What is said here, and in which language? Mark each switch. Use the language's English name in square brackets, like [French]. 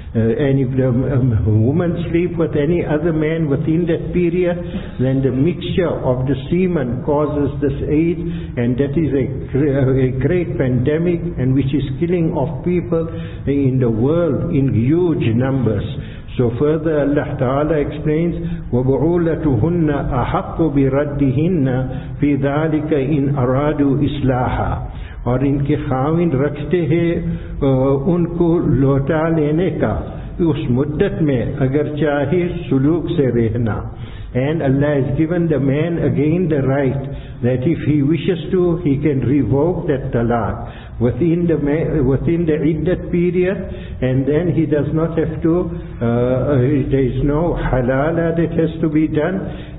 [English] And if the woman sleep with any other man within that period, then the mixture of the semen causes this AIDS, and that is a great pandemic, and which is killing off people in the world in huge numbers. So further Allah Ta'ala explains, [Arabic] وَبُعُولَتُهُنَّ أَحَقُّ بِرَدِّهِنَّ فِي ذَلِكَ إِنْ أَرَادُوا إِصْلَاحًا, [Urdu] اور ان کے خاوند رکھتے ہیں ان کو لوٹا لینے کا اس مدت میں اگر چاہے سلوک سے رہنا. [English] And Allah has given the man again the right that if he wishes to, he can revoke that talaq. within the iddat period, and then he does not have to, there is no halala that has to be done.